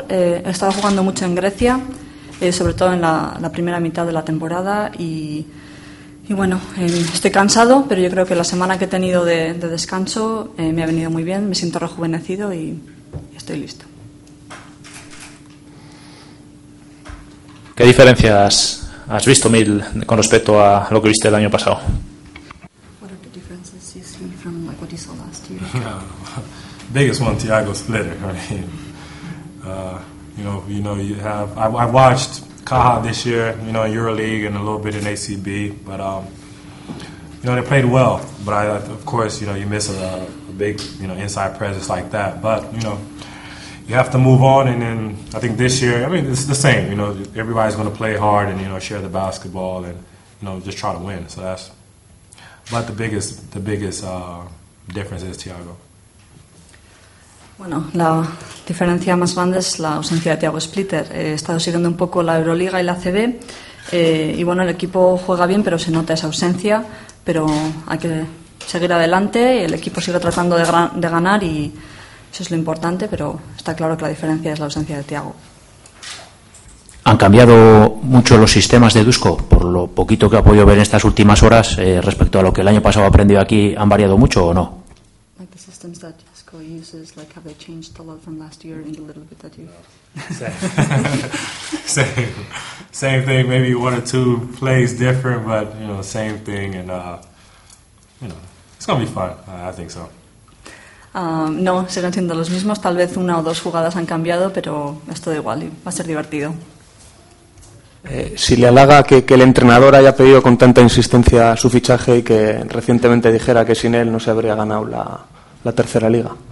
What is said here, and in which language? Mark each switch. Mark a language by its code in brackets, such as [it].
[es] He estado jugando mucho en Grecia, sobre todo en la primera mitad de la temporada y bueno, estoy cansado, pero yo creo que la semana que he tenido de descanso me ha venido muy bien. Me siento rejuvenecido y estoy listo. ¿Qué diferencias has visto, Mil, con respecto a lo que viste el año pasado? [en] What are the differences you see from like what you saw last year? Biggest one, Thiago Splitter. I mean, I've watched Caja this year, you know, in Euroleague and a little bit in ACB, but you know, they played well. But I, of course, you know, you miss a big, you know, inside presence like that. But you know, you have to move on, and then I think this year, I mean, it's the same. You know, everybody's going to play hard and, you know, share the basketball and, you know, just try to win. So that's about the biggest difference is Thiago. [es] Bueno, la diferencia más grande es la ausencia de Thiago Splitter. He estado siguiendo un poco la Euroliga y la CB, y bueno, el equipo juega bien, pero se nota esa ausencia. Pero hay que seguir adelante, el equipo sigue tratando de ganar y eso es lo importante, pero está claro que la diferencia es la ausencia de Thiago. ¿Han cambiado mucho los sistemas de Dusko? Por lo poquito que ha podido ver en estas últimas horas, respecto a lo que el año pasado aprendió aquí, ¿han variado mucho o no? [en] Like the systems that Dusko uses, like have they changed a lot from last year in the little bit that you've... same thing, maybe one or two plays different, but, you know, same thing, and, you know, it's going to be fun, I think so. [es] No, siguen siendo los mismos. Tal vez una o dos jugadas han cambiado, pero es todo igual y va a ser divertido. Si le halaga que el entrenador haya pedido con tanta insistencia su fichaje y que recientemente dijera que sin él no se habría ganado la tercera liga.